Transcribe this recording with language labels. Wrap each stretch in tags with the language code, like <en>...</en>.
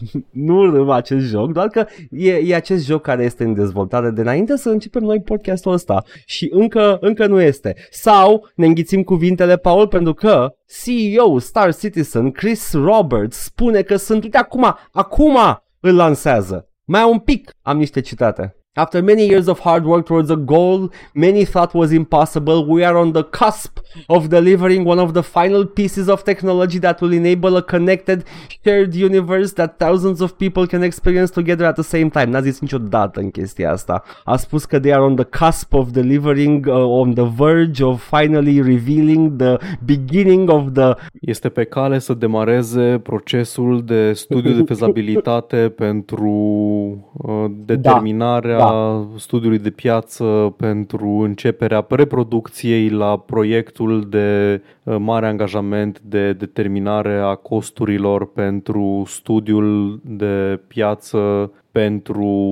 <ro>Nu râm acest joc, doar că e acest joc care este în dezvoltare de înainte să începem noi podcastul ăsta și încă nu este. Sau ne înghițim cuvintele, Paul, pentru că CEO Star Citizen Chris Roberts spune că sunt, uite, acum îl lansează. Mai un pic, am niște citate.</ro> <en>After many years of hard work towards a goal many thought was impossible, we are on the cusp of delivering one of the final pieces of technology that will enable a connected, shared universe that thousands of people can experience together at the same time.</en> <ro>N-a zis niciodată în chestia asta. A spus că</ro> <en>they are on the cusp of delivering, on the verge of finally revealing the beginning of the...</en> <ro>Este pe cale să demareze procesul de studiu de fezabilitate pentru determinarea studiului de piață pentru începerea preproducției la proiectul de mare angajament de determinare a costurilor pentru studiul de piață pentru...</ro>